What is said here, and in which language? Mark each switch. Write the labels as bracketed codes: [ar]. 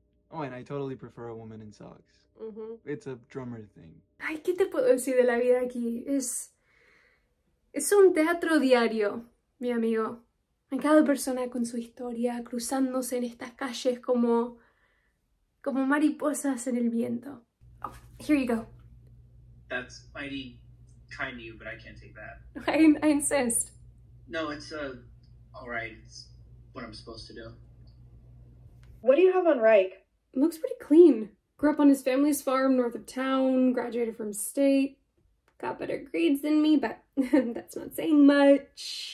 [en] Oh, and I totally prefer a woman in socks. Mm-hmm. It's a drummer thing. [es] Ay, ¿qué te puedo decir de la vida aquí? Es un teatro diario, mi amigo. En cada persona con su historia, cruzándose en estas calles como mariposas en el viento. [en] Oh, here you go. That's mighty kind of you, but I can't take that. I insist. No, it's all right. It's what I'm supposed to do. What do you have on Reich? Looks pretty clean. Grew up on his family's farm north of town, graduated from state, got better grades than me, but that's not saying much.